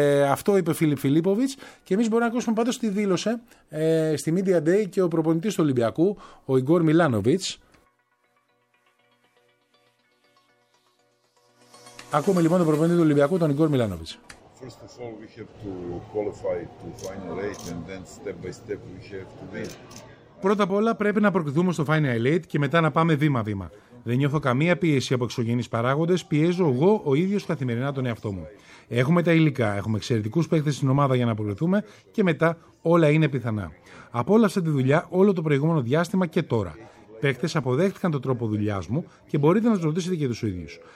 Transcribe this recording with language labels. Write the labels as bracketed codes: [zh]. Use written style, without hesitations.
[el] Αυτό είπε ο Φίλιπ Φιλίπποβιτς. Και εμείς μπορούμε να ακούσουμε πάντως τι δήλωσε στη Media Day και ο προπονητής του Ολυμπιακού, ο Ιγκόρ Μιλάνοβιτς. Ακούμε λοιπόν τον προπονητή του Ολυμπιακού, τον Ιγκόρ Μιλάνοβιτς. [en] First of all, we have to qualify to final eight and then step by step we have to win. [el] Πρώτα απ' όλα πρέπει να προκριθούμε στο Final 8 και μετά να πάμε βήμα-βήμα. Δεν νιώθω καμία πίεση από εξωγενείς παράγοντες, πιέζω εγώ ο ίδιος καθημερινά τον εαυτό μου. Έχουμε τα υλικά, έχουμε εξαιρετικούς παίκτες στην ομάδα για να προκριθούμε και μετά όλα είναι πιθανά. Απόλαυσα τη δουλειά όλο το προηγούμενο διάστημα και τώρα. Παίκτες αποδέχτηκαν τον τρόπο δουλειάς μου και μπορείτε να τους ρωτήσετε και τους ίδιους.